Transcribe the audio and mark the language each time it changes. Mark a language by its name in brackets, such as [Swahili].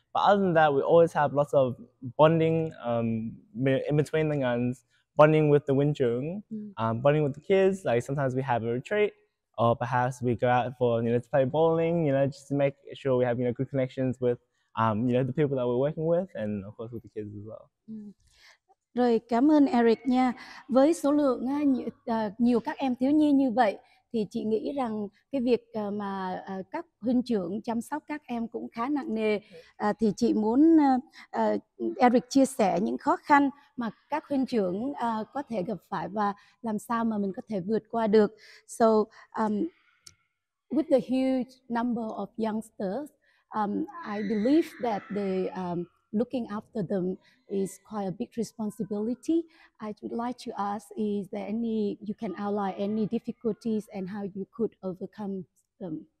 [English] But other than that, we always have lots of bonding in between the guns, bonding with the Win Trưởng, bonding with the kids. Like sometimes we have a retreat, or perhaps we go out for, you know, to play bowling, you know, just to make sure we have, you know, good connections with you know, the people that we're working with, and of course with the kids as well. [Vietnamese] Rồi, cảm ơn Eric nha. Với số lượng nhiều các em thiếu nhi như vậy thì chị nghĩ rằng cái việc mà các huynh trưởng chăm sóc các em cũng khá nặng nề. Thì chị muốn Eric chia sẻ những khó khăn mà các huynh trưởng có thể gặp phải và làm sao mà mình có thể vượt qua được. [English] So, with the huge number of youngsters, I believe that they... looking after them is quite a big responsibility. I would like to ask, is there any, you can outline any difficulties and how you could overcome them?